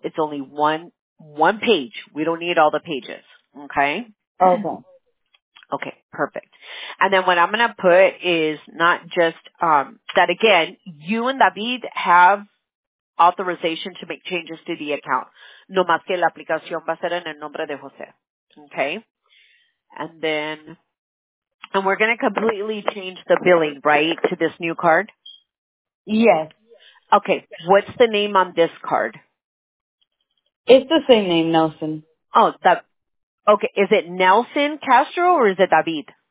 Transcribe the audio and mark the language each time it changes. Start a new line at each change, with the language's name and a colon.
English: It's only one page. We don't need all the pages. Okay. Okay, perfect. And then what I'm going to put is not just that, again, you and David have authorization to make changes to the account.
Spanish: No más que la aplicación va a ser en el nombre de José.
English: Okay? And then, and we're going to completely change the billing, right, to this new card? Yes. Okay, what's the name on this card? It's the same name, Nelson. Oh, that. Okay, is it Nelson Castro or is it David?